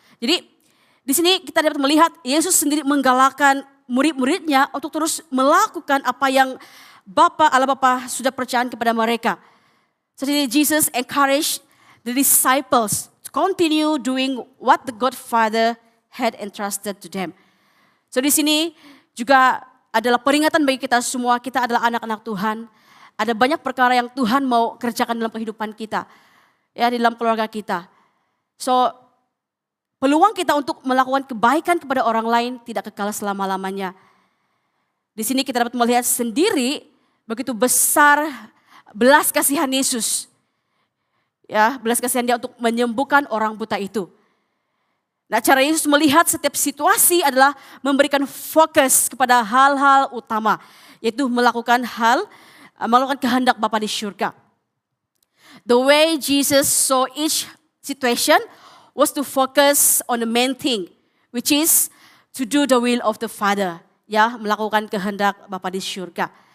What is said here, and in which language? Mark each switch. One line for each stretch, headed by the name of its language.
Malay: Jadi, di sini kita dapat melihat Yesus sendiri menggalakkan murid-muridnya untuk terus melakukan apa yang Bapa, Allah Bapa sudah percayakan kepada mereka.
English: Jadi, Jesus encourage the disciples to continue doing what the Godfather had entrusted to them.
Malay: So, di sini juga adalah peringatan bagi kita semua, kita adalah anak-anak Tuhan. Ada banyak perkara yang Tuhan mau kerjakan dalam kehidupan kita. Ya, di dalam keluarga kita. So, peluang kita untuk melakukan kebaikan kepada orang lain tidak kekal selama-lamanya. Di sini kita dapat melihat sendiri begitu besar belas kasihan Yesus. Ya, belas kasihan Dia untuk menyembuhkan orang buta itu. Nah, cara Yesus melihat setiap situasi adalah memberikan fokus kepada hal-hal utama, yaitu melakukan kehendak Bapa di surga.
English: The way Jesus saw each situation was to focus on the main thing, which is to do the will of the Father,
Malay: ya, melakukan kehendak Bapa di surga.